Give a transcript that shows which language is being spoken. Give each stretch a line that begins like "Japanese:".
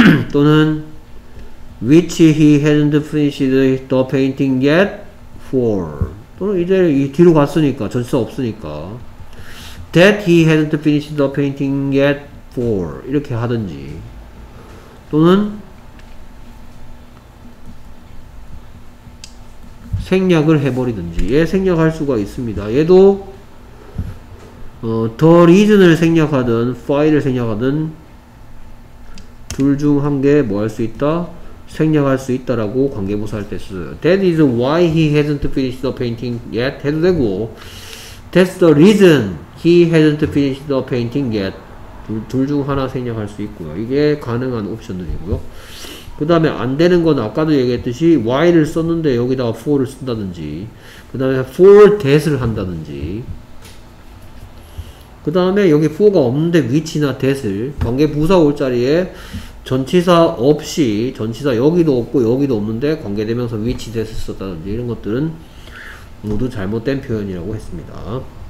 English: 또는 which he hasn't finished the painting yet for
Korean: 또는 이제 이 뒤로 갔으니까 전치사 없으니까
English: that he hasn't finished the painting yet for
Korean: 이렇게 하든지 또는 생략을 해버리든지 얘 생략할 수가 있습니다. 얘도 the reason을 생략하든 file을 생략하든 둘 중 한 개 뭐 할 수 있다? 생략할 수 있다라고 관계부사 할 때 쓰죠.
English: That is why he hasn't finished the painting yet
Korean: 해도 되고
English: That's the reason he hasn't finished the painting yet
Korean: 둘 중 하나 생략할 수 있고요. 이게 가능한 옵션들이고요. 그 다음에 안 되는 건 아까도 얘기했듯이 why를 썼는데 여기다가 for를 쓴다든지 그 다음에 for that을 한다든지 그 다음에 여기 for가 없는데 which나 that을 관계부사 올 자리에 전치사 없이 전치사 여기도 없고 여기도 없는데 관계되면서 위치 됐었다든지 이런 것들은 모두 잘못된 표현이라고 했습니다.